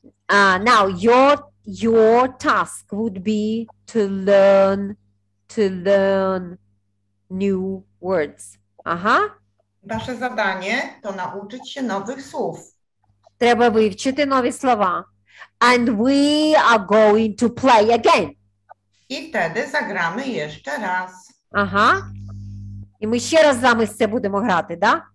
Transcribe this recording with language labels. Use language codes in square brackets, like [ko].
[en] Now, your task would be to learn new words. [pl] Wasze zadanie to nauczyć się nowych słów. [uk] Треба вивчити нові слова. [en] And we are going to play again. [uk] І тоді заграємо ще раз. І ми ще раз з вами це будемо грати, да?